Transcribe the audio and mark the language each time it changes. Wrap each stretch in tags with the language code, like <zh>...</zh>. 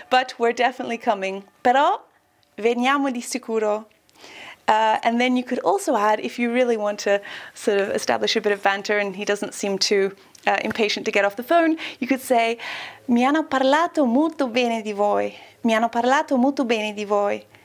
<en>But we're definitely coming,</en> <it>però veniamo di sicuro.</it> <en>And then you could also add, if you really want to sort of establish a bit of banter and he doesn't seem too impatient to get off the phone, you could say,</en> <it>mi hanno parlato molto bene di voi. Mi hanno parlato molto bene di voi.</it>